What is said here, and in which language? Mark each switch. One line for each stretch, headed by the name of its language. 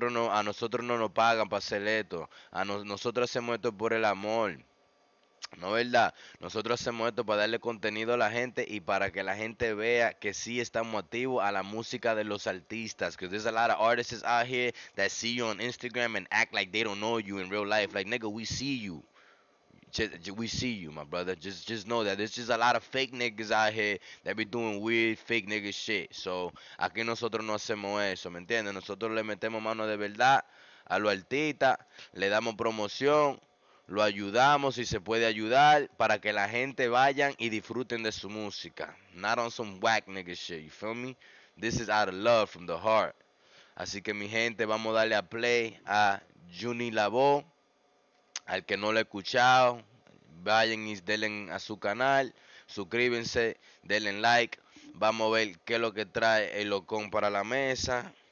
Spanish: A nosotros no nos pagan para hacer esto. Nosotros hacemos esto por el amor, ¿no verdad? Nosotros hacemos esto para darle contenido a la gente y para que la gente vea que sí estamos activos a la música de los artistas.
English: Cause there's a lot of artists out here that see you on Instagram and act like they don't know you in real life. Like, nigga, we see you. We see you, my brother. Just know that there's just a lot of fake niggas out here that be doing weird fake nigga shit.
Spanish: So aquí nosotros no hacemos eso, ¿me entiendes? Nosotros le metemos mano de verdad a los artistas, le damos promoción, lo ayudamos si se puede ayudar para que la gente vayan y disfruten de su música.
English: Not on some whack nigga shit, you feel me? This is out of love from the heart.
Spanish: Así que mi gente, vamos a darle a play a Juni La Voz. Al que no lo ha escuchado, vayan y denle a su canal, suscríbanse, denle like. Vamos a ver qué es lo que trae el locón para la mesa.